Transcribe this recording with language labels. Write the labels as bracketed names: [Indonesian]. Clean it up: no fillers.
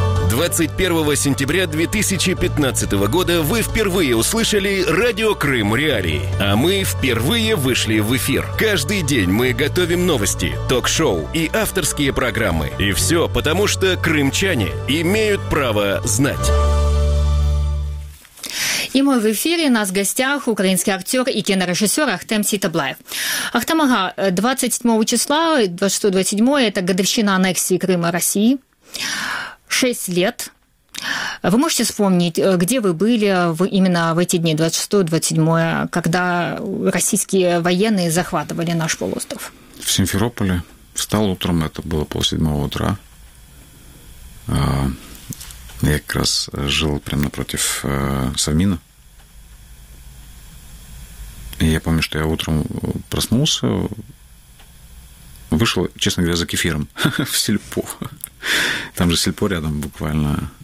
[Russian] 21 сентября 2015 года вы впервые услышали «Радио Крым Реалии», а мы впервые вышли в эфир. Каждый день мы готовим новости, ток-шоу и авторские программы. И все потому, что крымчане имеют право знать. [Ukrainian] І ми в ефірі, нас в гостях український актер і кінорежисер Ахтем Тсітаблаєв. Ахтем ага, 27 числа, 26-27, це годовщина анексії Криму Росії. 6 лет. Ви можете вспомнити, де ви були іменно в ці дні, 26-27, коли російські воєнні захватували наш полуостров? В Сімферополі. Встав утром, це було пол сьомого утра. [Russian] Я как раз жил прямо напротив Савмина. И я помню, что я утром проснулся, вышел, честно говоря, за кефиром в сельпо. Там же сельпо рядом буквально.